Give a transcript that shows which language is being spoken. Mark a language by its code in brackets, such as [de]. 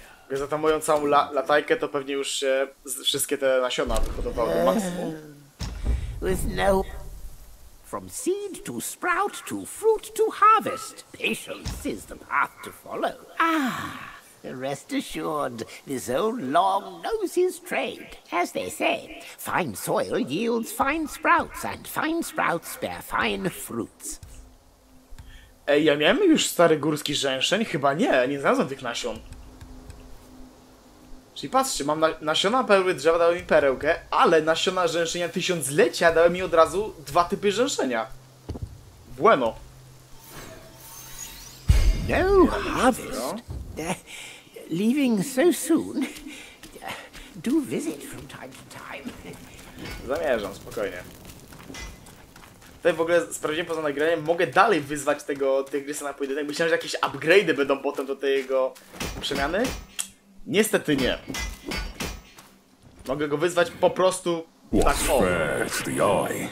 [pl] Więc za tą moją całą latajkę to pewnie już się wszystkie te nasiona wyhodowały do maksimum. [en] With no... From seed to sprout to fruit to harvest, patience is the path to follow. Ah, rest assured, this old log knows his trade. As they say, fine soil yields fine sprouts, and fine sprouts bear fine fruits. [pl] Ej, ja miałem już stary górski rzęszeń? Chyba nie znalazłem tych nasion. Czyli patrzcie, mam nasiona perły drzewa, dały mi perełkę, ale nasiona rzęszenia tysiąclecia dały mi od razu dwa typy rzęszenia. [es] Bueno. [en] No harvest. Leaving so soon. Do visit from time to time. [pl] Zamierzam, spokojnie. Tutaj w ogóle sprawdziłem poza nagraniem, mogę dalej wyzwać tego tygrysa na pojedynek. Myślałem, że jakieś upgrade'y będą potem do tej jego przemiany. Niestety nie. Mogę go wyzwać po prostu tak o.